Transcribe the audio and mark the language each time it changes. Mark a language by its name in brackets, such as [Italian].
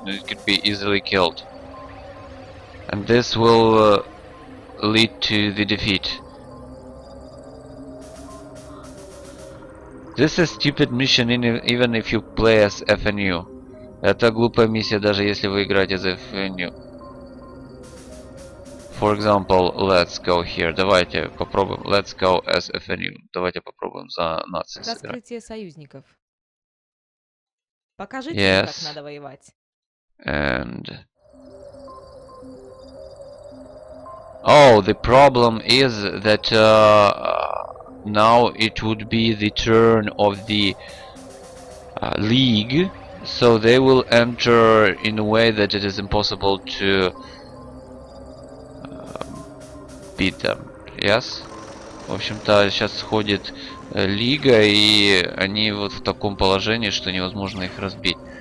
[English] It could be easily killed, and this will lead to the defeat. This is a stupid mission, even if you play as FNU. [Russian] Это глупая миссия, даже если вы играете за FNU. [English] For example, let's go here. [Russian] Давайте попробуем. [English] Let's go as FNU. [Russian] Давайте попробуем за нации сыграть. Раскрытие союзников. Покажите, yes. Как надо воевать. [English] And... Oh, the problem is that... Now it would be the turn of the league, so they will enter in a way that it is impossible to beat them. Yes? [Russian] В общем-то, сейчас сходит лига, и они вот в таком положении, что невозможно их разбить.